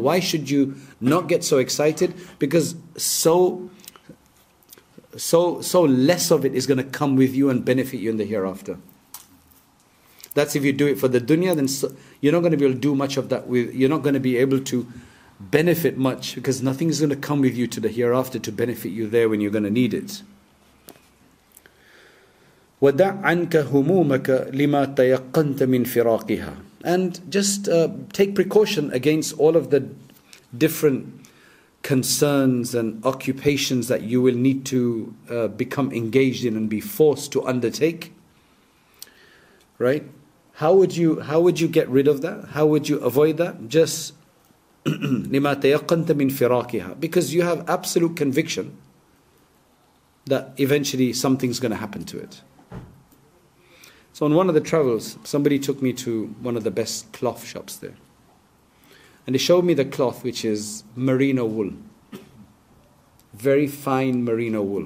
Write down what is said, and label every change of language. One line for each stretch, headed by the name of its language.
English: Why should you not get so excited? Because so less of it is going to come with you and benefit you in the hereafter. That's if you do it for the dunya, then you're not going to be able to do much of that. You're not going to be able to benefit much, because nothing is going to come with you to the hereafter to benefit you there when you're going to need it.
Arabic: ودع عنك همومك لما تيقنت من فراقها.
English: And just take precaution against all of the different concerns and occupations that you will need to become engaged in and be forced to undertake. Right? How would you get rid of that? How would you avoid that?
Arabic: Just لما تيقنت من فراقها.
English: Because you have absolute conviction that eventually something's going to happen to it. So on one of the travels, somebody took me to one of the best cloth shops there. And they showed me the cloth, which is merino wool. Very fine merino wool.